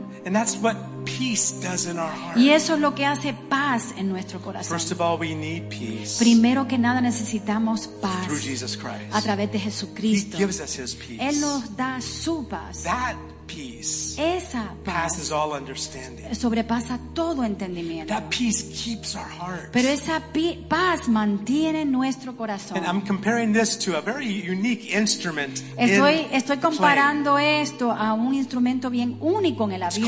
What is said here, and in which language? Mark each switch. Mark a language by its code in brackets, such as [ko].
[en] And that's what peace does in our heart. [es] Y eso es lo que hace paz en nuestro corazón. [en] First of all, we need peace. [es] Primero que nada necesitamos paz. [en] Through Jesus Christ. [es] A través de Jesucristo. [en] He gives us his peace. [es] Él nos da su paz. [en] That peace. [es] Esa paz [en] passes all understanding. [es] Sobrepasa todo entendimiento. [en] That peace keeps our hearts. [es] Pero esa paz mantiene nuestro corazón. [en] And I'm comparing this to a very unique instrument. [es] Estoy comparando esto a un instrumento bien único en el avión.